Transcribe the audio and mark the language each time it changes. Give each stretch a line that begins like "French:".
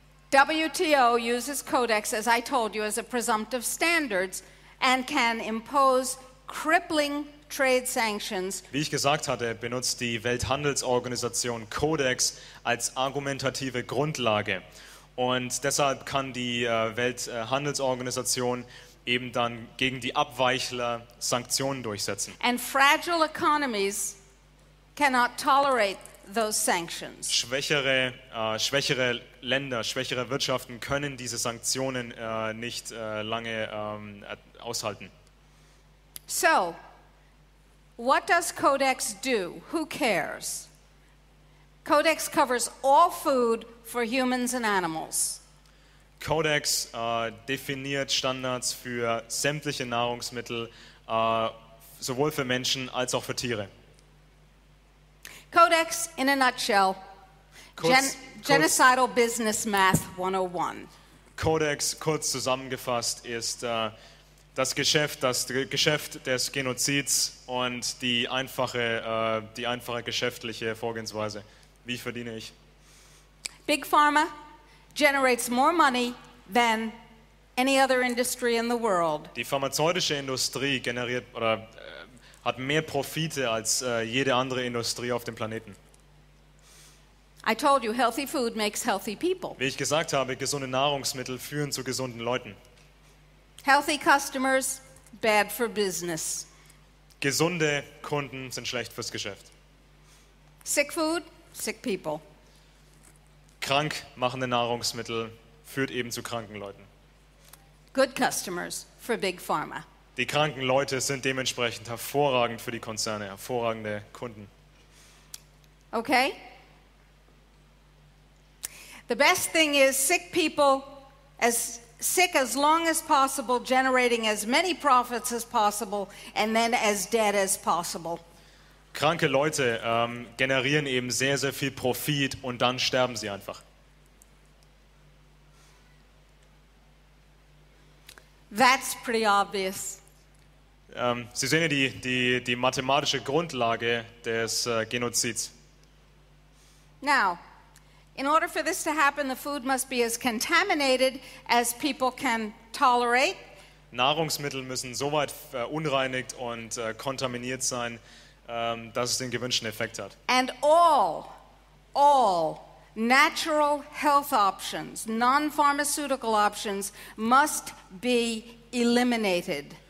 English: WTO uses Codex, as I told you, as a presumptive standards and can impose crippling trade sanctions.
German: Wie ich gesagt hatte, benutzt die Welthandelsorganisation Codex als argumentative Grundlage. Und deshalb kann die Welthandelsorganisation eben dann gegen die Abweichler Sanktionen durchsetzen.
English: And fragile economies cannot tolerate those sanctions.
German: Schwächere Länder, schwächere Wirtschaften können diese Sanktionen nicht lange aushalten.
English: So, what does Codex do? Who cares? Codex covers all food for humans and animals.
German: Codex definiert Standards für sämtliche Nahrungsmittel, sowohl für Menschen als auch für Tiere.
English: Codex in a nutshell, genocidal business math 101.
German: Codex, kurz zusammengefasst, ist das Geschäft des Genozids und die einfache geschäftliche Vorgehensweise. Wie verdiene ich?
English: Big Pharma generates more money than any other industry in the world.
German: Die pharmazeutische Industrie generiert oder hat mehr Profite als jede andere Industrie auf dem Planeten.
English: I told you, healthy food makes healthy people.
German: Wie ich gesagt habe, gesunde Nahrungsmittel führen zu gesunden Leuten.
English: Healthy customers, bad for business.
German: Gesunde Kunden sind schlecht fürs Geschäft.
English: Sick food, sick people.
German: Krankmachende Nahrungsmittel führt eben zu kranken Leuten.
English: Good customers for Big Pharma.
German: Die kranken Leute sind dementsprechend hervorragend für die Konzerne, hervorragende Kunden.
English: Okay. The best thing is sick people as sick as long as possible, generating as many profits as possible, and then as dead as possible.
German: Kranke Leute generieren eben sehr, sehr viel Profit und dann sterben sie einfach.
English: That's pretty obvious.
German: Sie sehen ja die mathematische Grundlage des Genozids.
English: Now, in order for this to happen, the food must be as contaminated as people can tolerate.
German: Nahrungsmittel müssen so weit verunreinigt und kontaminiert sein, dass es den gewünschten Effekt hat.
English: And all natural health options, non-pharmaceutical options, must be eliminated.